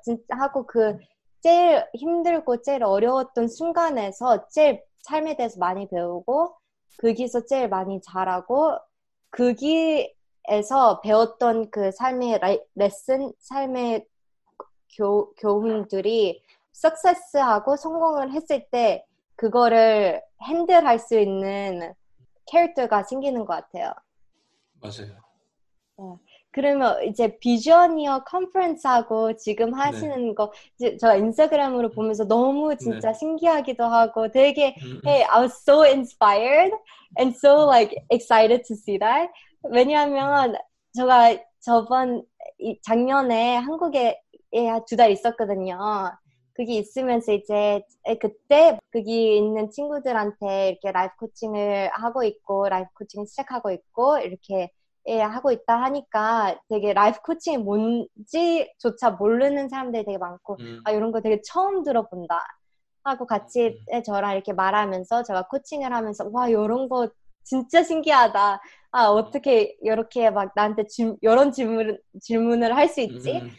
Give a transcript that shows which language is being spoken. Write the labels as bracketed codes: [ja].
[ko] 진짜 하고 그 제일 힘들고 제일 어려웠던 순간에서 제일 삶에 대해서 많이 배우고 거기서 제일 많이 자라고 거기에서 배웠던 그 삶의 레슨, 삶의 교훈들이 success하고 성공을 했을 때 그거를 handle 할 수 있는 캐릭터가 생기는 것 같아요. 맞아요. 그러면 이제 비전이어 컨퍼런스하고 지금 하시는 네. 거 이제 저 인스타그램으로 보면서 너무 진짜 네. 신기하기도 하고 되게 [en] hey, I was so inspired and so like excited to see that. [ko] 왜냐하면 제가 저번 작년에 한국에 두 달 있었거든요. 그게 있으면서 이제 그때 거기 있는 친구들한테 이렇게 라이프 코칭을 하고 있고 라이프 코칭 시작하고 있고 이렇게 예, 하고 있다 하니까 되게 라이프 코칭이 뭔지조차 모르는 사람들이 되게 많고 아 이런 거 되게 처음 들어본다 하고 같이 저랑 이렇게 말하면서 제가 코칭을 하면서 와 이런 거 진짜 신기하다 아 어떻게 이렇게 막 나한테 이런 질문을 할 수 있지?